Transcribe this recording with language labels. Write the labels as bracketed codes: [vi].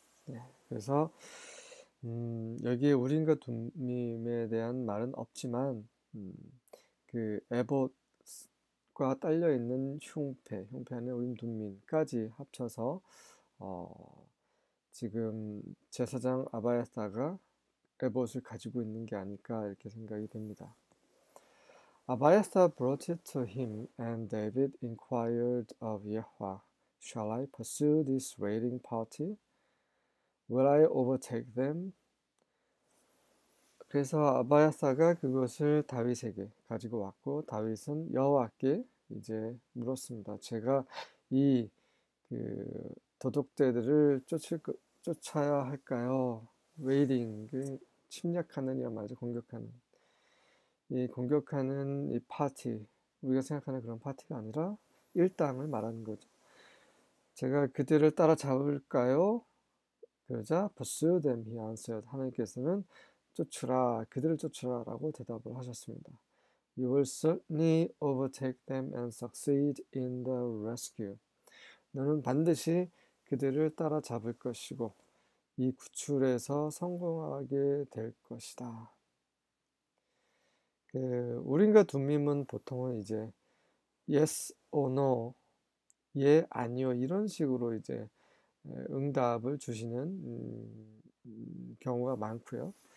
[ko] 네, 그래서 여기에 우림과 둠민에 대한 말은 없지만 그 에봇과 딸려 있는 흉패 안에 우림 둠민까지 합쳐서 지금 제사장 아바야다가 에봇을 가지고 있는 게 아닐까 이렇게 생각이 됩니다. [en] Abiathar brought it to him, and David inquired of Yehovah, "Shall I pursue this raiding party? Will I overtake them?" [ko] 그래서 아바야사가 그것을 다윗에게 가지고 왔고, 다윗은 여호와께 이제 물었습니다. 제가 이그 도둑대들을 쫓아야 할까요? Raiding, 그 침략하느냐 말이죠, 공격하는. 이 공격하는 이 파티, 우리가 생각하는 그런 파티가 아니라 일당을 말하는 거죠. 제가 그들을 따라잡을까요? [en] 그러자 Pursue them, he answered. [ko] 하나님께서는 쫓으라, 그들을 쫓으라라고 대답을 하셨습니다. [en] You will certainly overtake them and succeed in the rescue. [ko] 너는 반드시 그들을 따라잡을 것이고 이 구출에서 성공하게 될 것이다. 그 우림과 둠밈은 보통은 이제 yes or no, 예 아니요 이런 식으로 이제 응답을 주시는 경우가 많고요.